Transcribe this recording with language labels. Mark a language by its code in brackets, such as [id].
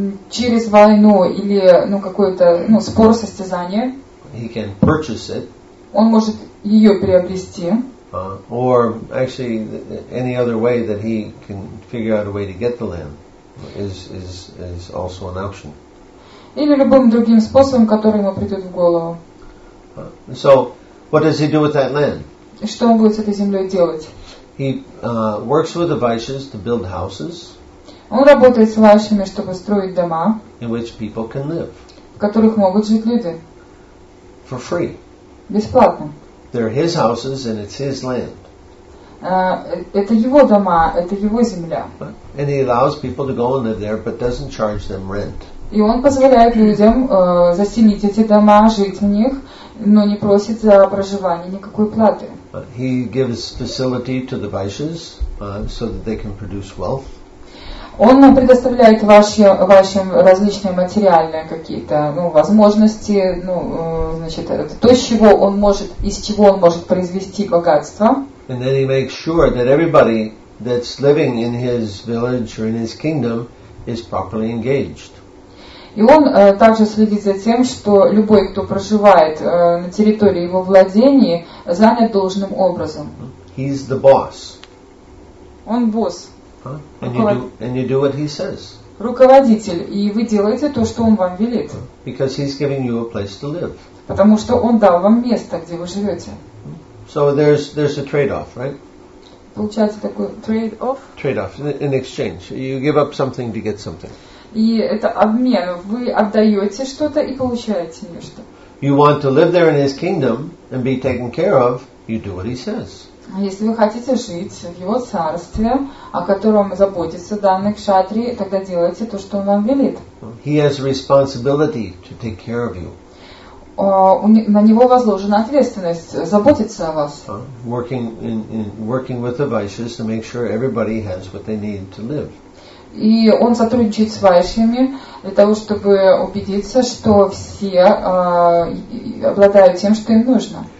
[ru] Через войну или ну какое-то ну спор, состязание. [en] He can purchase it. [ru] Он может ее приобрести. [en] Or actually any other way that he can figure out a way to get the land is also an option. [ru] Или любым другим способом, который ему придет в голову. [en] So what does he do with that land? [ru] Что он будет с этой землей делать? [en] He works with the Vaishyas to build houses. [ru] Он работает с Вайшами, чтобы строить дома, [en] in which people can live. [ru] В которых могут жить люди. [en] For free. [ru] Бесплатно. [en] They're his houses and it's his land. [ru] Это его дома, это его земля. [en] And he allows people to go and live there, but doesn't charge them rent. [ru] И он позволяет людям заселить эти дома, жить в них, но не просит за проживание никакой платы. [en] He gives facility to the Vaishyas so that they can produce wealth. [ru] Он предоставляет вашим различные материальные какие-то возможности, значит, то, из чего он может произвести богатство. [en] And then he makes sure that everybody that's living in his village or in his kingdom is properly engaged. [ru] И он также следит за тем, что любой, кто проживает на территории его владений, занят должным образом. [en] He's the boss. [ru] Он босс. [en] And you do what he says. [ru] Руководитель, и вы делаете то, что он вам велит. [en] Because he's giving you a place to live. [ru] Потому что он дал вам место, где вы живете. [en] So there's a trade-off, right? [ru] Получается такой trade-off? [en] Trade-off, an exchange. You give up something to get something. [ru] И это обмен. Вы отдаете что-то и получаете нечто. [en] You want to live there in his kingdom and be taken care of, you do what he says. [ru] Если вы хотите жить в его царстве, о котором заботится данный кшатри, тогда делайте то, что он вам велит. [en] He has responsibility to take care of you. [ru] На него возложена ответственность заботиться о вас. [en] Working with the Vaishyas to make sure everybody has what they need to live. [ru] И он сотрудничает с Вайшами для того, чтобы убедиться, что все обладают тем, что им нужно.